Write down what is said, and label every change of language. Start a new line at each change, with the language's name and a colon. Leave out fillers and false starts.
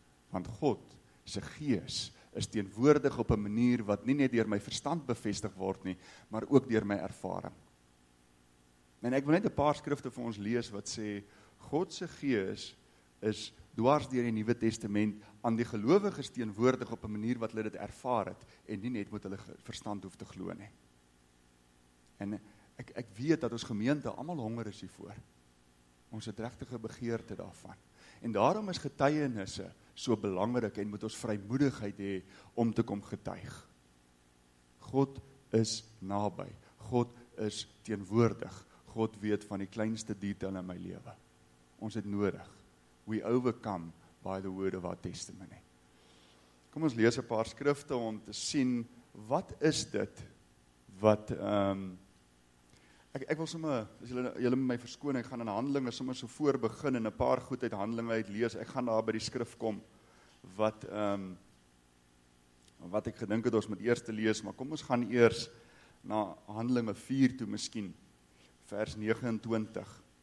Afrikaans: Want God se gees is teenwoordig op 'n manier wat nie net deur my verstand bevestig word nie, maar ook deur my ervaring. En ek wil net 'n paar skrifte vir ons lees wat sê God se gees is dwars deur die Nuwe Testament aan die gelowiges teenwoordig op 'n manier wat hulle dit ervaar het en nie net met hulle verstand hoef te glo nie. En ek weet dat ons gemeente almal honger is hiervoor. Ons het regtige begeerte daarvan. En daarom is getuienisse so belangrik en moet ons vrymoedigheid hê om te kom getuig. God is naby. God is teenwoordig. God weet van die kleinste detail in my lewe. Ons het nodig.
English: We overcome by the word of our testimony.
Afrikaans: Kom ons lees 'n paar skrifte om te sien wat is dit wat ek wil sommer, as julle my verskoon, ek gaan in Handelinge sommer so voor begin en 'n paar goed uit Handelinge uit lees. Ek gaan daar by die skrif kom wat wat ek gedink het ons moet eers te lees, maar kom ons gaan eers na Handelinge 4 toe miskien vers 29.